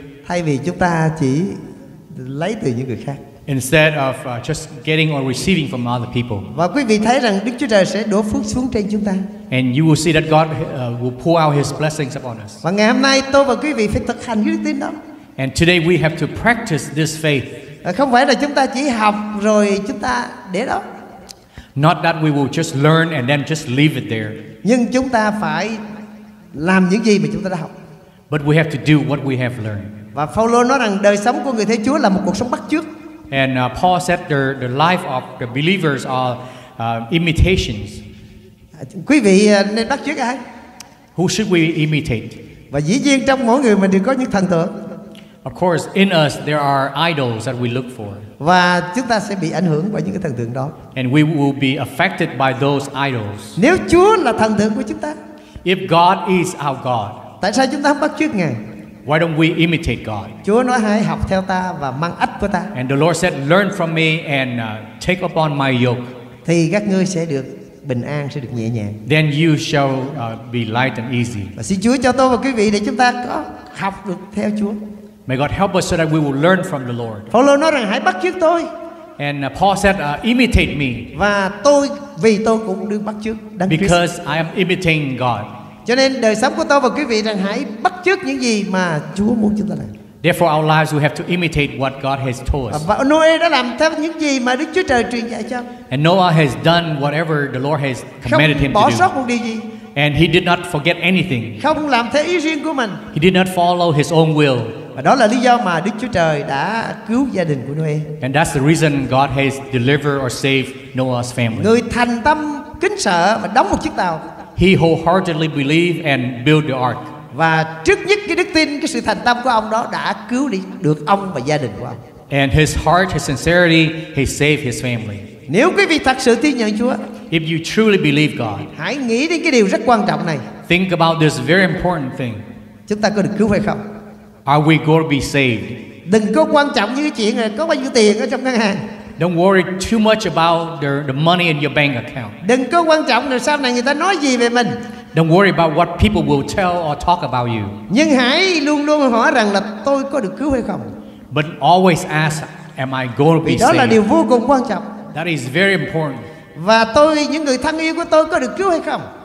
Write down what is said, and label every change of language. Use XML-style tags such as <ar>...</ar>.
<vi>Thay vì chúng ta chỉ lấy từ những người khác.</vi> <en>Instead of just getting or receiving from other people.</en> <vi>Và quý vị thấy rằng Đức Chúa Trời sẽ đổ phước xuống trên chúng ta.</vi> <en>And you will see that God will pour out His blessings upon us.</en> <vi>Và ngày hôm nay tôi và quý vị phải thực hành cái đức tin đó.</vi> <en>And today we have to practice this faith.</en> <vi>Không phải là chúng ta chỉ học rồi chúng ta để đó.</vi> <en>Not that we will just learn and then just leave it there.</en> <vi>Nhưng chúng ta phải làm những gì mà chúng ta đã học.</vi> <en>But we have to do what we have learned.</en> <vi>Và Phaolô nói rằng đời sống của người theo Chúa là một cuộc sống bắt chước.</vi> <en>And Paul said the life of the believers are imitations.</en> <vi>Quý vị nên bắt chước ai?</vi> <en>Who should we imitate?</en> <vi>Và dĩ nhiên trong mỗi người mình đều có những thần tượng.</vi> <en>Of course, in us there are idols that we look for.</en> <vi>Và chúng ta sẽ bị ảnh hưởng bởi những cái thần tượng đó.</vi> <en>And we will be affected by those idols.</en> <vi>Nếu Chúa là thần tượng của chúng ta.</vi> <en>If God is our God.</en> <vi>Tại sao chúng ta không bắt chước Ngài?</vi> <en>Why don't we imitate God?</en> <vi>Chúa nói hãy học theo ta và mang ách của ta.</vi> <en>And the Lord said, learn from me and take upon my yoke.</en> <vi>Thì các ngươi sẽ được bình an, sẽ được nhẹ nhàng.</vi> <en>Then you shall be light and easy.</en> <vi>Và xin Chúa cho tôi và quý vị để chúng ta có học được theo Chúa.</vi> <en>May God help us so that we will learn from the Lord.</en> <vi>Phaolô nói rằng hãy bắt chước tôi.</vi> <en>And Paul said, imitate me.</en> <vi>Và tôi vì tôi cũng đương bắt chước Đấng</vi> <en>Christ. Because I am imitating God.</en> <vi>Cho nên đời sống của tôi và quý vị rằng hãy bắt chước những gì mà Chúa muốn chúng ta làm.</vi> <en>Therefore, our lives we have to imitate what God has told us.</en> <vi>Và Noe đã làm theo những gì mà Đức Chúa Trời truyền dạy cho.</vi> <en>And Noah has done whatever the Lord has commanded him to do.</en> <vi>Không bỏ sót một điều gì.</vi> <en>And he did not forget anything.</en> <vi>Không làm theo ý riêng của mình.</vi> <en>He did not follow his own will.</en> <vi>Và đó là lý do mà Đức Chúa Trời đã cứu gia đình của Noe.</vi> <en>And that's the reason God has delivered or saved Noah's family.</en> <vi>Người thành tâm kính sợ và đóng một chiếc tàu.</vi> <en>He wholeheartedly believed and built the ark.</en> <vi>Và trước nhất cái đức tin, cái sự thành tâm của ông đó đã cứu được ông và gia đình của ông.</vi> <en>And his heart, his sincerity, he saved his family.</en> <vi>Nếu quý vị thật sự tin nhận Chúa,</vi> <en>if you truly believe God,</en> <vi>hãy nghĩ đến cái điều rất quan trọng này.</vi> <en>Think about this very important thing.</en> <vi>Chúng ta có được cứu hay không?</vi> <en>Are we going to be saved?</en> <vi>Đừng có quan trọng như chuyện có bao nhiêu tiền ở trong ngân hàng.</vi> <en>Don't worry too much about the money in your bank account.</en> <vi>Đừng có quan trọng là sau này người ta nói gì về mình.</vi> <en>Don't worry about what people will tell or talk about you.</en> <vi>Nhưng hãy luôn luôn hỏi rằng là tôi có được cứu hay không.</vi> <en>But always ask, am I going to be saved?</en> <vi>Đó là điều vô cùng quan trọng.</vi> <en>That is very important.</en> <vi>Và tôi, những người thân yêu của tôi có được cứu hay không?</vi>